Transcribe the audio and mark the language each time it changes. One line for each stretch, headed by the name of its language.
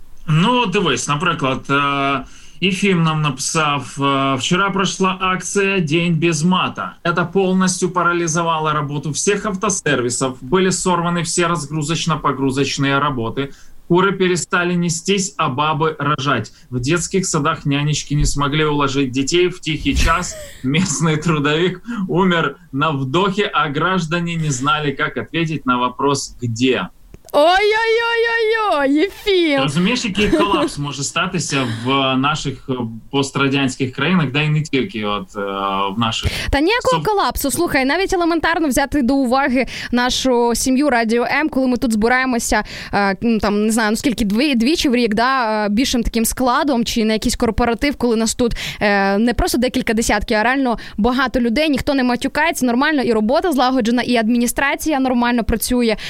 Ukrainian: Ну, дивись, наприклад, Ефім нам написав, вчора пройшла акція «День без мата». Это повністю паралізувало роботу всіх автосервісів, були сорвані всі розгрузочно-погрузочні роботи, кури перестали нестись, а баби рожать.
Russian: В детских садах нянечки не смогли уложить детей в тихий час. Местный трудовик умер на вдохе, а граждане не знали, как ответить на вопрос «Где?». Ой-ой-ой-ой-ой, Єфім!
Ukrainian: Розумієш, який колапс може статися в наших пострадянських країнах, да і не тільки от в наших. Та ніякого колапсу, слухай, навіть елементарно взяти до уваги нашу сім'ю Радіо М, коли ми тут збираємося, там, не знаю, ну скільки, двічі в рік, да, більшим таким складом, чи на якийсь корпоратив, коли нас тут не просто декілька десятків, а реально багато людей, ніхто не матюкається, нормально і робота злагоджена, і адміністрація нормально працює.